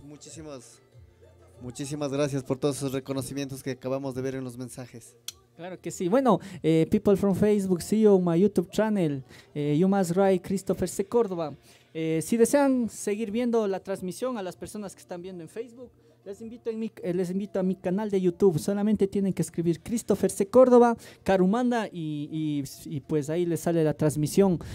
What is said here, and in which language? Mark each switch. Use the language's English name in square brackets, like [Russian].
[Spanish] Muchísimas, muchísimas gracias por todos esos reconocimientos que acabamos de ver en los mensajes. Claro que sí. [English] Bueno, people from Facebook, see you on my YouTube channel. You must write Christopher C. Córdoba. [Spanish] Si desean seguir viendo la transmisión a las personas que están viendo en Facebook, Les invito a mi canal de YouTube. Solamente tienen que escribir Christopher C. Córdoba, Carumanda, y pues ahí les sale la transmisión.